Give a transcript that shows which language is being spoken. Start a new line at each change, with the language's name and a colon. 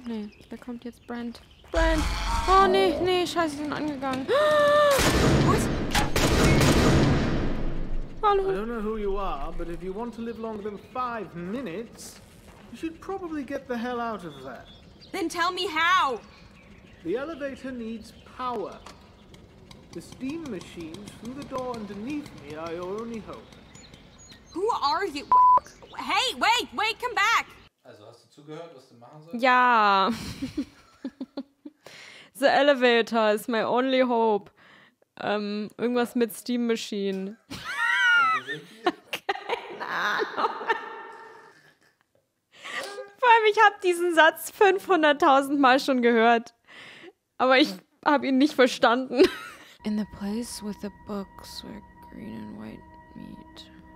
German: Nee, da kommt jetzt Brent. Brent! Oh nee, nee, scheiße, ich bin angegangen.
English: What?
German: Hallo.
English: I don't know who you are, but if you want to live longer than 5 minutes, you should probably get the hell out of there. Then tell me how! The elevator needs power. The steam machines through the door underneath me are your only hope. Who are you? Hey, wait, wait, come back!
German: Also hast du zugehört, was du machen sollst? Ja.
English: The elevator is my only hope.
German: Irgendwas mit Steam Machine. Keine Ahnung. Vor allem, ich habe diesen Satz 500.000 Mal schon gehört. Aber ich habe ihn nicht verstanden.
English: In the place with the books where green and white meet.